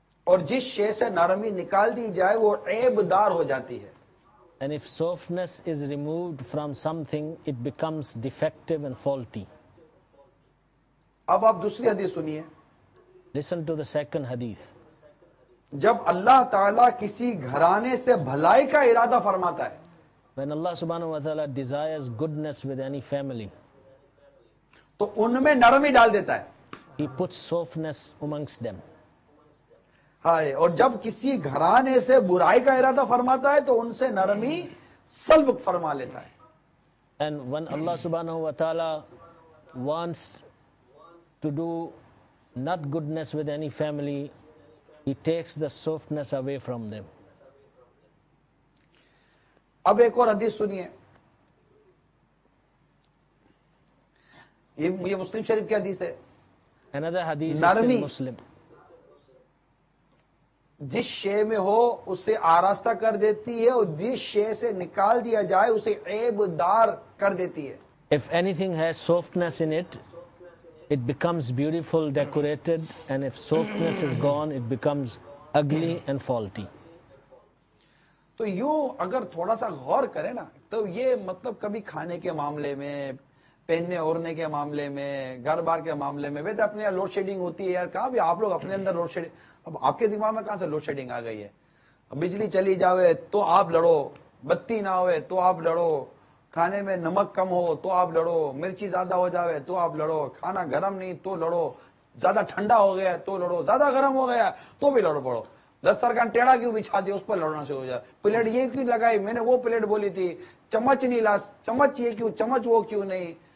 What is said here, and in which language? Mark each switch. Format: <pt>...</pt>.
<ur>اور جس شے سے نرمی نکال دی جائے وہ عیب دار ہو جاتی ہے.</ur> <en>And if softness is removed from something, it becomes defective and faulty.</en> <ur>اب آپ دوسری حدیث سنیے.</ur> <en>Listen to the second حدیث.</en> <ur>جب اللہ تعالیٰ کسی گھرانے سے بھلائی کا ارادہ فرماتا ہے,</ur> <en>when Allah subhanahu wa ta'ala desires goodness with any family,</en> <ur>تو ان میں نرمی ڈال دیتا ہے,</ur> <en>he puts softness amongst them.</en> <ur>ہائے, اور جب کسی گھرانے سے برائی کا ارادہ فرماتا ہے تو ان سے نرمی سلب فرما لیتا ہے.</ur> <en>And when Allah subhanahu wa ta'ala wants to do not goodness with any family, he takes the softness away from them.</en> <ur>اب ایک اور حدیث سنیے, یہ مسلم شریف کی حدیث ہے.</ur> <en>Another حدیث نرمی is in Muslim.</en> <ur>جس شے میں ہو اسے آراستہ کر دیتی ہے, اور جس شے سے نکال دیا جائے اسے عیب دار کر دیتی ہے.</ur> <en>If anything has softness in it, it becomes beautiful, decorated, and if softness is gone, it becomes ugly and faulty.</en> <ur>تو یوں اگر تھوڑا سا غور کریں نا, تو یہ مطلب کبھی کھانے کے معاملے میں, پہننے اوڑھنے کے معاملے میں, گھر بار کے معاملے میں, ویسے اپنے لوڈ شیڈنگ ہوتی ہے یار, کہاں بھی آپ لوگ اپنے اندر لوڈ شیڈنگ, اب آپ کے دماغ میں کہاں سے لوڈ شیڈنگ آ گئی ہے, بجلی چلی جاوے تو آپ لڑو, بتی نہ ہوئے تو آپ لڑو, کھانے میں نمک کم ہو تو آپ لڑو, مرچی زیادہ ہو جاوے تو آپ لڑو, کھانا گرم نہیں تو لڑو, زیادہ ٹھنڈا ہو گیا تو لڑو, زیادہ گرم ہو گیا تو بھی لڑو پڑو, دسترخوان ٹیڑھا کیوں بچھا دیا اس پر لڑنا شروع ہو جائے, پلیٹ یہ کیوں لگائی میں نے وہ پلیٹ بولی تھی, چمچ نہیں لا, چمچ یہ کیوں, چمچ وہ کیوں نہیں,</ur>